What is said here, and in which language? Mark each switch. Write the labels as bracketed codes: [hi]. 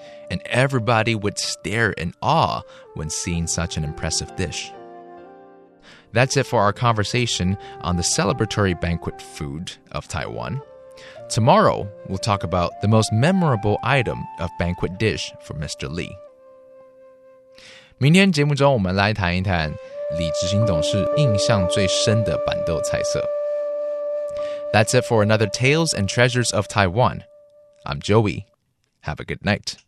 [en] And everybody would stare in awe when seeing such an impressive dish. That's it for our conversation on the celebratory banquet food of Taiwan. Tomorrow, we'll talk about the most memorable item of banquet dish for Mr. Lee. [zh] 明天节目中，我们来谈一谈李执行董事印象最深的板豆菜色。 [en] That's it for another Tales and Treasures of Taiwan. I'm Joey. Have a good night.